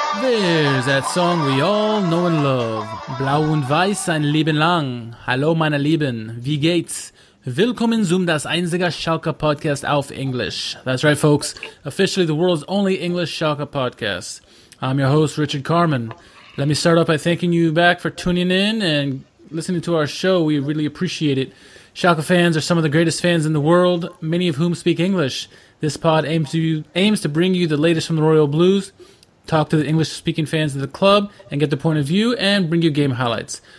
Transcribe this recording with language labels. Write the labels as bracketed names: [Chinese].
[English] is that song we all know and love. [German] Blau und Weiß, ein Leben lang. Hallo meine Lieben, wie geht's? Willkommen zum das einzige Schalke Podcast auf Englisch. [English] That's right folks, officially the world's only English Schalke Podcast. I'm your host Richard Carman. Let me start off by thanking you back for tuning in and listening to our show. We really appreciate it. Schalke fans are some of the greatest fans in the world, many of whom speak English. This pod aims to bring you the latest from the Royal Blues, talk to the English-speaking fans of the club and get their point of view, and bring you game highlights.